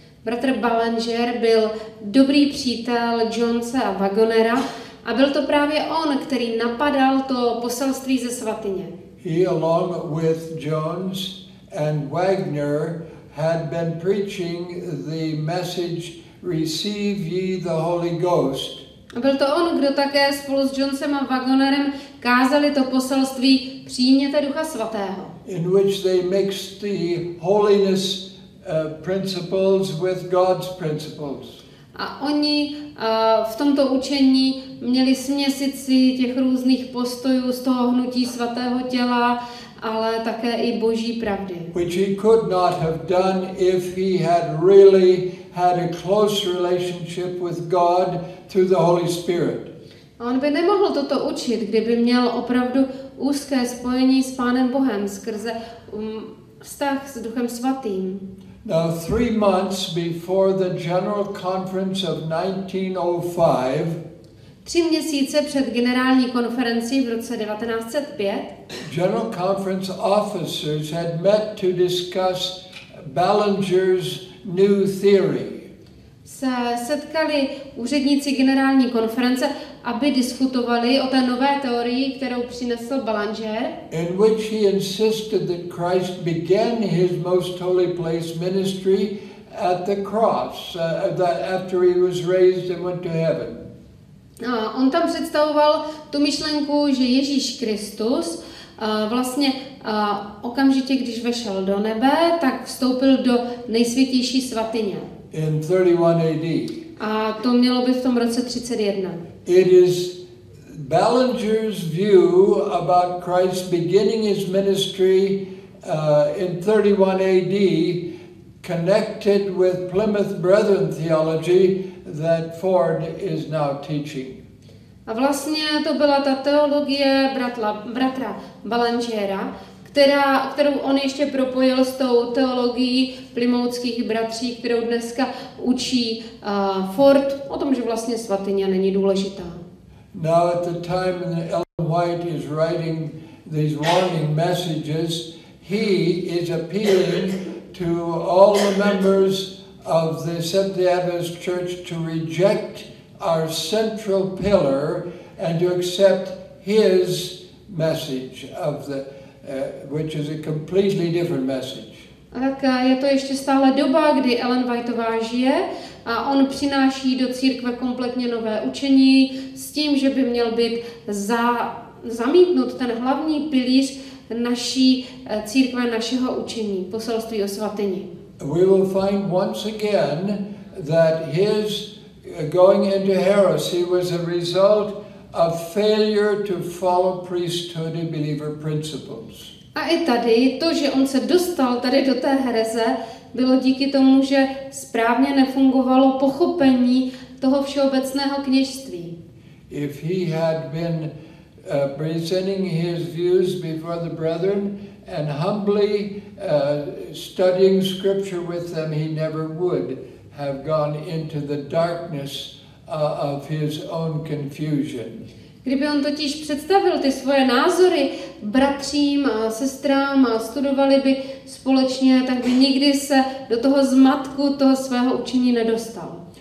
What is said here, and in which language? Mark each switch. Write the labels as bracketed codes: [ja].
[cs] Bratr Ballinger byl dobrý přítel Jonesa a Wagnera a byl to právě on, který napadal to poselství ze svatyně. [en] He along with Jones and Wagner had been preaching the message "Receive ye the Holy Ghost." [cs] A byl to on, kdo také spolu s Jonesem a Wagnerem kázali to poselství "Přijměte Ducha svatého." [en] In which they mixed the holiness principles with God's principles. [cs] A oni v tomto učení měli směsit si těch různých postojů z toho hnutí svatého těla, ale také i Boží pravdy. [en] Which he could not have done if he had really had a close relationship with God through the Holy Spirit. [cs] On by nemohl toto učit, kdyby měl opravdu úzké spojení s Pánem Bohem skrze vztah s Duchem svatým. [en] Now 3 months before the General Conference of 1905, [cs] 3 měsíce před generální konferencí v roce 1905, [en] General Conference officers had met to discuss Ballinger's new theory. [cs] Se setkali úředníci generální konference, aby diskutovali o té nové teorii, kterou přinesl Ballinger. [en] In which he insisted that Christ began his most holy place ministry at the cross, that after he was raised and went to heaven. [cs] On tam představoval tu myšlenku, že Ježíš Kristus vlastně okamžitě, když vešel do nebe, tak vstoupil do nejsvětější svatyně. [en] In 31 AD. [cs] A to mělo by v tom roce 31. [en] It is Ballinger's view about Christ beginning his ministry in 31 AD connected with Plymouth Brethren theology that Ford is now teaching. [cs] A vlastně to byla ta teologie bratra Ballingera, kterou on ještě propojil s tou teologií plymouckých bratří, kterou dneska učí Ford o tom, že vlastně svatyně není důležitá. [en] Now at the time when Ellen White is writing these warning messages, he is appealing to all the members of the Seventh-day Adventist Church to reject our central pillar and to accept his message of the which is a completely different message. [cs] Tak je to ještě stále doba, kdy Ellen Whiteová žije a on přináší do církve kompletně nové učení s tím, že by měl být zamítnut ten hlavní pilíř naší církve, našeho učení, poselství o svatyni. [en] We will find once again that his going into heresy was a result of failure to follow priesthood and believer principles. [cs] A i tady to, že on se dostal tady do té hereze, bylo díky tomu, že správně nefungovalo pochopení toho všeobecného kněžství. [en] If he had been presenting his views before the brethren and humbly studying scripture with them, he never would have gone into the darkness of his own confusion. [cs] Kdyby on totiž představil ty svoje názory bratřím a sestrám a studovali by společně, tak by nikdy se do toho zmatku toho svého učení nedostal.